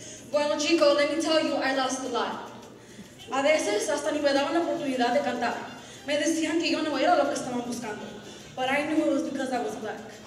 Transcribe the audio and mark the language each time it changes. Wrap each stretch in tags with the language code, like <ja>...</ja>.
<en>Bueno, chico, let me tell you, I lost a lot.</en> <es>A veces hasta ni me daban la oportunidad de cantar. Me decían que yo no era lo que estaban buscando.</es> <en>But I knew it was because I was black.</en>